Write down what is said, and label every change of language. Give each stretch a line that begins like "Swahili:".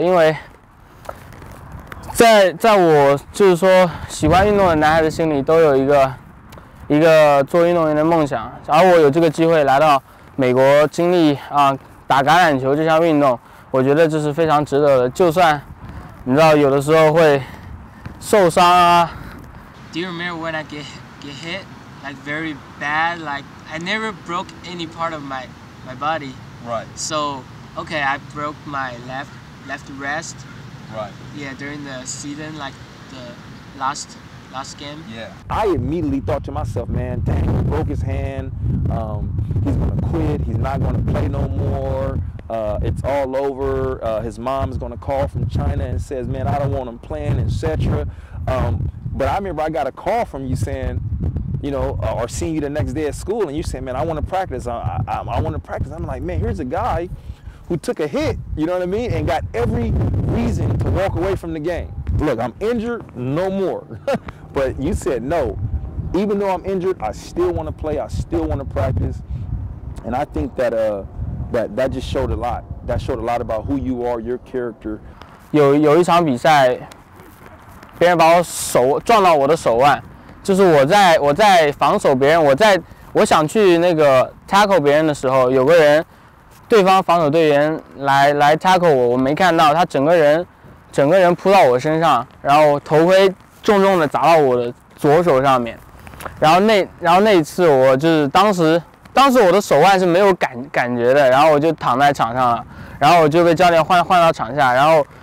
Chinese: 因为在我就是说喜欢运动的男孩子心里都有一个一个做运动员的梦想，而我有这个机会来到美国经历打橄榄球这项运动，我觉得这是非常值得的。就算你知道有的时候会受伤啊。
English: Do you remember when I get hit like very bad? Like I never broke any part of my body. Right. So okay, I broke my left wrist. Right. Yeah, during the season, like the last game. Yeah. I immediately thought to myself, man, dang, he broke his hand. He's gonna quit. He's not gonna play no more. It's all over. His mom's gonna call from China and says, man, I don't want him playing, etc. But I remember I got a call from you saying, you know, or seeing you the next day at school, and you saying, man, I want to practice. I want to practice. I'm like, man, here's a guy who took a hit, you know what I mean, and got every reason to walk away from the game. Look, I'm injured, no more. But you said, no, even though I'm injured, I still want to play. I still want to practice. And I think that that just showed a lot. That showed a lot about who you are, your character.
Chinese: 有一场比赛。别人把我手撞到我的手腕，就是我在防守别人，我想去那个 tackle 别人的时候，有个人，对方防守队员来 tackle 我，我没看到他整个人扑到我身上，然后头盔重重的砸到我的左手上面，然后那一次我就是当时我的手腕是没有感觉的，然后我就躺在场上了，然后我就被教练换到场下，然后。